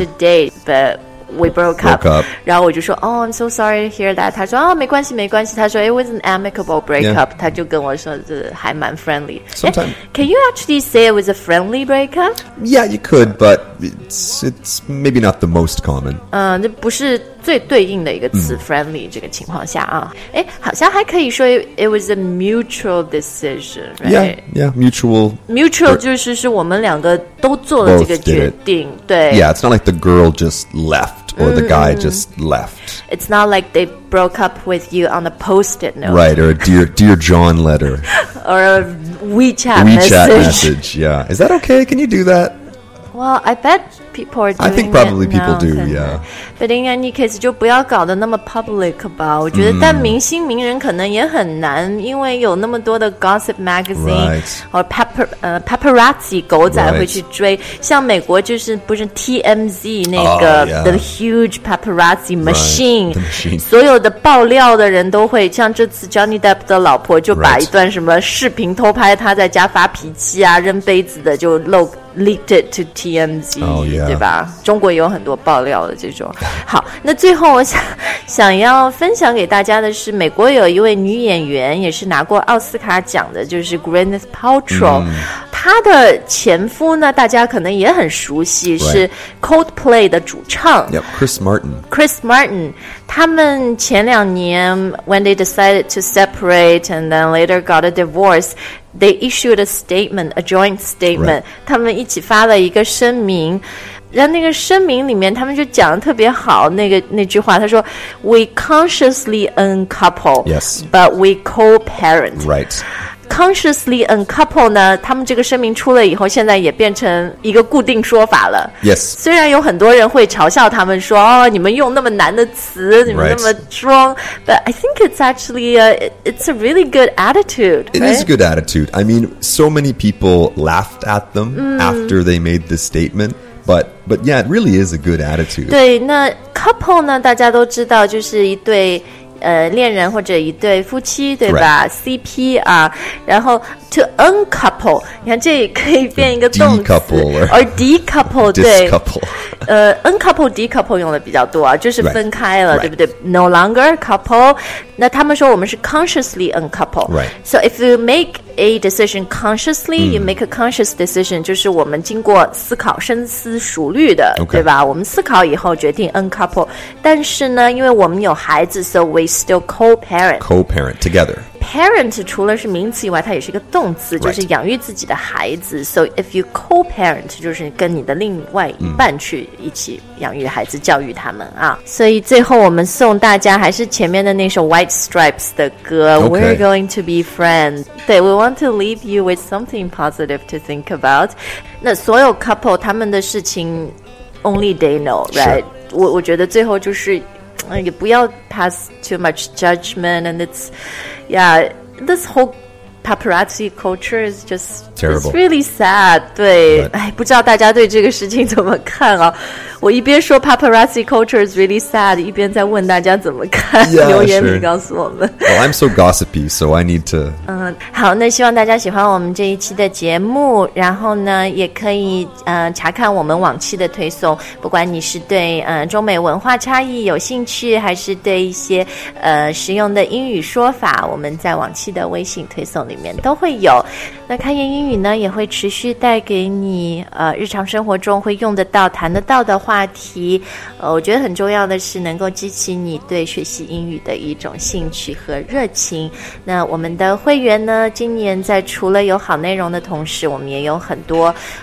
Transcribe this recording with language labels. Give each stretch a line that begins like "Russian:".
English: right. to date, but we broke up.
Chinese: 然后我就说
English: Oh, I'm so sorry to hear that. 他说、oh,
Chinese: 没关系他说
English: It was an amicable breakup.、 Yeah.
Chinese: 他就跟我说这还蛮 friendly.
English: Sometimes. Can you actually say it was a friendly breakup? Yeah, you could, but it's maybe not the most common.
Chinese: 这不是最对应的一个词 friendly 这个情况下啊。诶，好像还可以说
English: it was a mutual decision, right? Yeah, mutual.
Chinese: Mutual 就是是我们两个都做了这个决定，对。
English: Yeah, it's not like the girl just left or the guy just left. It's not like they broke up with you on a post-it note. Right, or a dear John letter. Or a WeChat message, yeah. Is that okay? Can you do that? Well, I bet people are doing it. I think probably people now, do, yeah. But in any case,
Chinese: 就不要搞得那么 public 吧。我觉得但明星名人可能也很难，因为有那么多的 gossip magazine,
English: right.
Chinese: Or paparazzi 狗仔会去追。像美国就是不是 TMZ 那个
English: the huge paparazzi machine, right. The machine.
Chinese: 所有的爆料的人都会，像这次 Johnny Depp 的老婆就把一段什么视频偷拍他在家发脾气啊，扔杯子的就露。
English: Leaked it to TMZ,
Chinese: 对吧？中国有很多爆料的这种。好，那最后我想要分享给大家的是，美国有一位女演员，也是拿过奥斯卡奖的，就是 Gwyneth Paltrow。她的前夫呢，大家可能也很熟悉，是 Coldplay 的主唱 Chris Martin。
English: Chris Martin，
Chinese: 他们前两年
English: when they decided to separate and then later got a divorce。 They issued a statement, a joint statement. Right.
Chinese: 他们一起发了一个声明，然后那个声明里面，他们就讲得特别好。那句话，他说 ，
English: We consciously uncouple, yes, but we co-parent. Right.
Chinese: Consciously uncouple 呢？他们这个声明出了以后，现在也变成一个固定说法了。
English: Yes.
Chinese: 虽然有很多人会嘲笑他们说，哦，你们用那么难的词，你们那么装。
English: Right. But I think it's actually it's a really good attitude. It is a good attitude. I mean, so many people laughed at them after they made this statement. But yeah, it really is a good attitude.
Chinese: 对，那 couple 呢？大家都知道，就是一对。恋人或者一对夫妻对吧、
English: right.
Chinese: CP 啊，然后
English: to uncouple
Chinese: 你看这也可以变一个动词
English: decouple or decouple
Chinese: 对
English: uncouple decouple
Chinese: 用的比较多啊，就是分开了、
English: right.
Chinese: 对不对
English: no longer couple
Chinese: 那他们说我们是
English: consciously uncouple、 right. so if you make a decision consciously、you make a conscious decision
Chinese: 就是我们经过思考深思熟虑的、
English: okay.
Chinese: 对吧我们思考以后决定 uncouple 但是呢因为我们有孩子
English: so we still co-parent together
Chinese: parent 除了是名词以外它也是一个动词就是养育自己的孩子、
English: right. so if you co-parent
Chinese: 就是跟你的另外一半去一起养育孩子教育他们啊。所以最后我们送大家还是前面的那首 White Stripes 的歌、
English: okay. We're going to be friends 对 we want to leave you with something positive to think about
Chinese: 那所有 couple 他们的事情
English: only they know right
Chinese: 我觉得最后就是也不要
English: pass too much judgment and it's yeah this whole paparazzi culture is just terrible it's really sad
Chinese: 对、
English: right.
Chinese: 哎、不知道大家对这个事情怎么看啊、哦、我一边说
English: paparazzi culture is really sad
Chinese: 一边在问大家怎么看
English: yeah,
Chinese: 留言里告诉我们
English: sure. well I'm so gossipy so I need to
Chinese: 好那希望大家喜欢我们这一期的节目然后呢也可以查看我们往期的推送不管你是对中美文化差异有兴趣还是对一些实用的英语说法我们在往期的微信推送里面都会有那开言英语呢也会持续带给你日常生活中会用得到谈得到的话题我觉得很重要的是能够激起你对学习英语的一种兴趣和热情那我们的会员呢今年在除了有好内容的同时我们也有很多